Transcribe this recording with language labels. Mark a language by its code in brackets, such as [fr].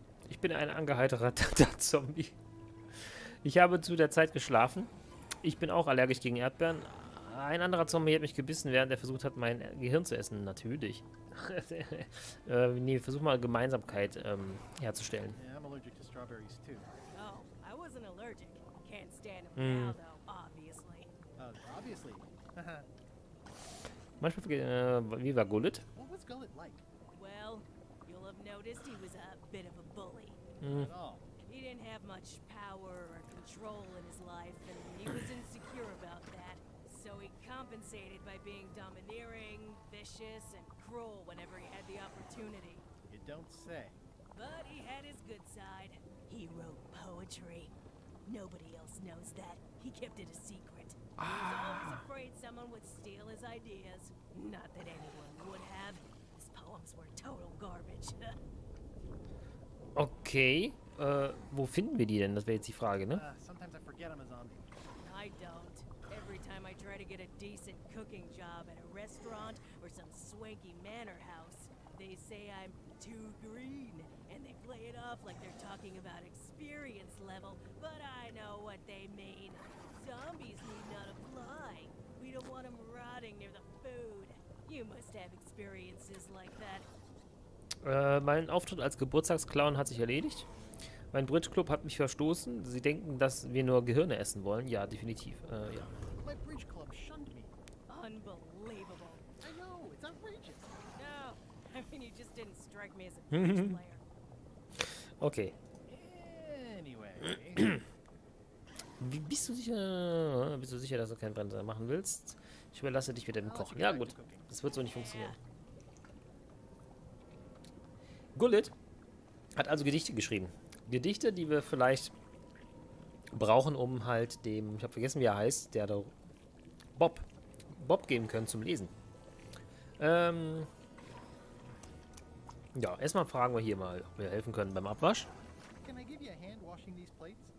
[de] Ich bin ein angeheiterter Zombie. Ich habe zu der Zeit geschlafen. Ich bin auch allergisch gegen Erdbeeren. Ein anderer Zombie hat mich gebissen, während er versucht hat, mein Gehirn zu essen. Natürlich. nee, versuch mal Gemeinsamkeit herzustellen. [en] Yeah, I'm allergic to strawberries too. Oh, I wasn't allergic. Can't stand them now, though, obviously. Obviously. [de] Manchmal vergessen, wie war Gullet? [en] What was Gullet like? Well, you'll have noticed he was a bit of a bully. Not at all. He didn't have much power or control in his life, and he was insecure about that. So he compensated by being domineering, vicious, and cruel whenever he had the opportunity. You don't say. But he had his good side. He wrote poetry. Nobody else knows that. He kept it a secret. He was always afraid someone would steal his ideas. Not that anyone would have. His poems were total garbage. [de] Okay, wo finden wir die denn? Das wäre jetzt die Frage, ne? [en] Sometimes I forget I'm a zombie. I don't. Every time I try to get a decent cooking job at a restaurant or some swanky manor house, they say I'm too green, and they play it off like they're talking about experience level, but I know what they mean. Zombies need not apply. We don't want them rotting near the food. You must have experiences like that. [de] Mein Auftritt als Geburtstagsclown hat sich erledigt. Mein Bridge Club hat mich verstoßen. Sie denken, dass wir nur Gehirne essen wollen. Ja, definitiv. Ja. [en] My Bridge Club shunned me. Unbelievable. I know, it's outrageous. No, I mean, you just didn't strike me as a bridge player. Okay. Anyway. [de] Wie, bist du sicher, dass du keinen Brenner machen willst? Ich überlasse dich wieder dem Kochen. Ja, gut. Das wird so nicht funktionieren. Gullit hat also Gedichte geschrieben. Gedichte, die wir vielleicht brauchen, um halt dem, ich habe vergessen, wie er heißt, der da Bob geben können zum Lesen. Ja, erstmal fragen wir hier mal, ob wir helfen können beim Abwasch. [en] Can I give you a hand washing these plates?